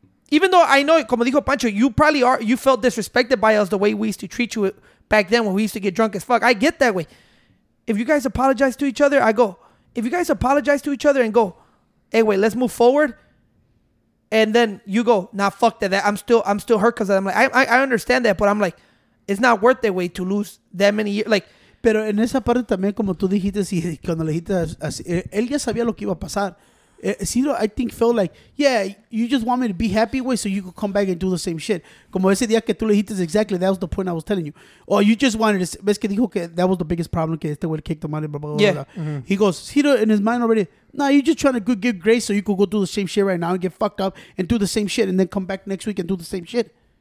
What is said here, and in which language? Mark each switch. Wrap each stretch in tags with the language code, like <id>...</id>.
<en>Even though I know,</en> <es>como dijo Pancho,</es> <en>you felt disrespected by us the way we used to treat you back then when we used to get drunk as fuck. I get that, way. If you guys apologize to each other, and go, hey, wait, let's move forward. And then you go, nah, fuck that. I'm still hurt because I'm like, I understand that, but I'm like, it's not worth that way to lose that many years. Like,</en> <es>pero en esa parte también, como tú dijiste, si, cuando le dijiste así, él ya sabía lo que iba a pasar.</es> <en>Cedro, I think, felt like, yeah, you just want me to be happy, way, so you could come back and do the same shit.</en> <es>Como ese día que tú le dijiste,</es> <en>exactly, that was the point I was telling you. Or you just wanted to,</en> <es>ves que dijo que</es> <en>that was the biggest problem,</en> <es>que este güey</es> <en>kicked him out, blah, blah, blah. Yeah. Blah. He goes, Cedro, in his mind already, nah, you're just trying to give grace so you could go do the same shit right now and get fucked up and do the same shit and then come back next week and do the same shit.</en>